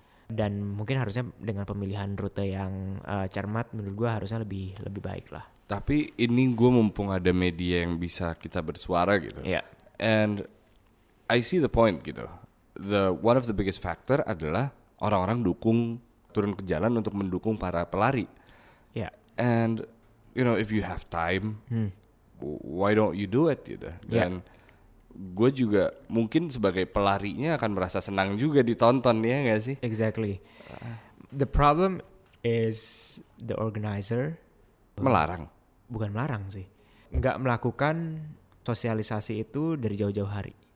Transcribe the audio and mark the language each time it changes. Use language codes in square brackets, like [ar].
[id] Dan mungkin harusnya dengan pemilihan rute yang cermat, menurut gue harusnya lebih lebih baik lah. Tapi ini gue mumpung ada media yang bisa kita bersuara gitu. Iya. [en] And I see the point gitu. One of the biggest factor [id] adalah orang-orang dukung, turun ke jalan untuk mendukung para pelari. Iya. [en] And you know, if you have time, why don't you do it gitu. [id] Dan gue juga mungkin sebagai pelarinya akan merasa senang juga ditonton, ya gak sih? [en] Exactly. The problem is the organizer [id] melarang. Bukan melarang sih, gak melakukan sosialisasi itu dari jauh-jauh hari.